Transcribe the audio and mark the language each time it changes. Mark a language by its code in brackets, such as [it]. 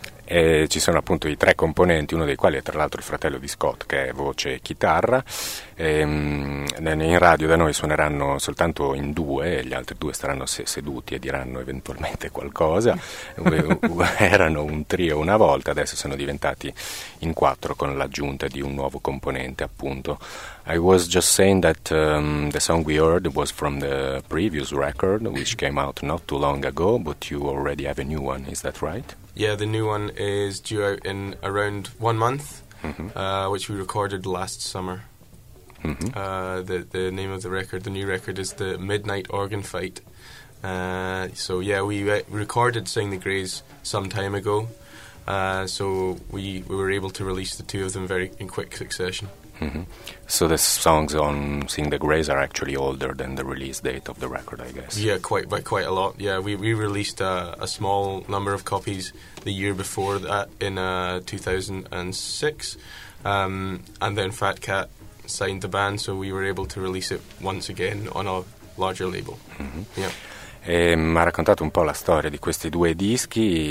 [it] E ci sono appunto i tre componenti, uno dei quali è tra l'altro il fratello di Scott, che è voce e chitarra. In radio da noi suoneranno soltanto in due, gli altri due staranno seduti e diranno eventualmente qualcosa. Erano un trio una volta, adesso sono diventati in quattro con l'aggiunta di un nuovo componente, appunto. [en] I was just saying that the song we heard was from the previous record, which came out not too long ago, but you already have a new one, is that right? Yeah, the new one is due out in around 1 month, which we recorded last summer. The name of the record, the new record, is The Midnight Organ Fight. So we recorded Sing the Greys some time ago, so we were able to release the two of them in quick succession. So the songs on Sing the Greys are actually older than the release date of the record, I guess. Yeah, quite a lot. Yeah, we released a small number of copies the year before that in 2006, and then Fat Cat signed the band, so we were able to release it once again on a larger label. Yeah. [it] E mi ha raccontato un po' la storia di questi due dischi.